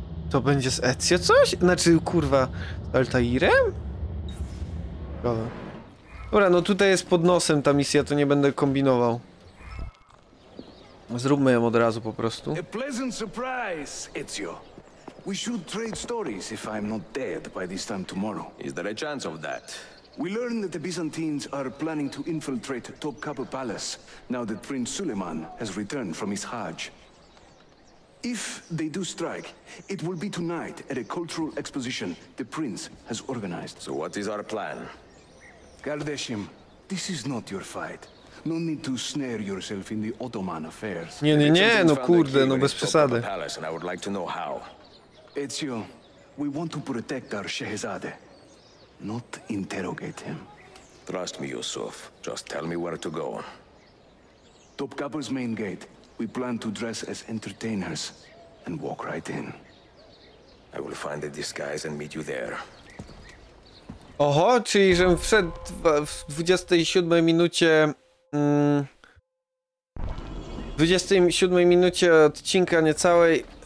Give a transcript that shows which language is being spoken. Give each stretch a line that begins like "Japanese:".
Polish: To będzie z Ezio coś? Znaczy, kurwa, z Altairem? Dobra. Dobra, no tutaj jest pod nosem ta misja, to nie będę kombinował. Zróbmy ją od razu po prostu.
English: A pleasant surprise, Ezio. We should trade stories if I'm not dead by this time tomorrow. Is there a chance of that? We learned that the Byzantines are planning to infiltrate Topkapı Palace now that Prince Suleiman has returned from his Hajj. If they do strike, it will be tonight at a cultural exposition the prince has organized. So what is our plan? Kardeşim, this is not your fight. No need to snare yourself in the Ottoman affairs.
Polish: Nie, nie, nie, no kurde, no bez przesady.
English: Palace, and I would like to know how. Ezio, we want to protect our Shehzade, not interrogate him. Trust me, Yusuf. Just tell me where to go. Topkapı's main gate. We plan to dress as entertainers and walk right in. I will find a disguise and meet you there.
Polish: Oho, czyli żebym wszedł w 27 minucie... W 27 minucie odcinka niecałej...